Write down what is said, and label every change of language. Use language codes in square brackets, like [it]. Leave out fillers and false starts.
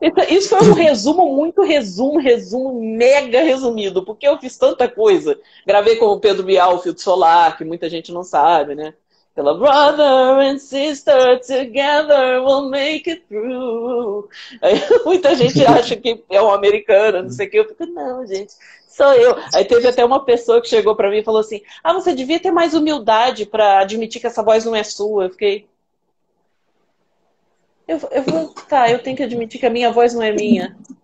[pt] Isso foi um resumo, muito resumo, resumo mega resumido, porque eu fiz tanta coisa. Gravei com o Pedro Bial, Fio de Solar, que muita gente não sabe, né? [en] Pela Brother and Sister, together we'll make it through. [pt] Aí, muita gente acha que é um americano, não sei o que. Eu fico: "Não, gente, sou eu." Aí teve até uma pessoa que chegou pra mim e falou assim: "Ah, você devia ter mais humildade pra admitir que essa voz não é sua." Eu fiquei. Eu tenho que admitir que a minha voz não é minha.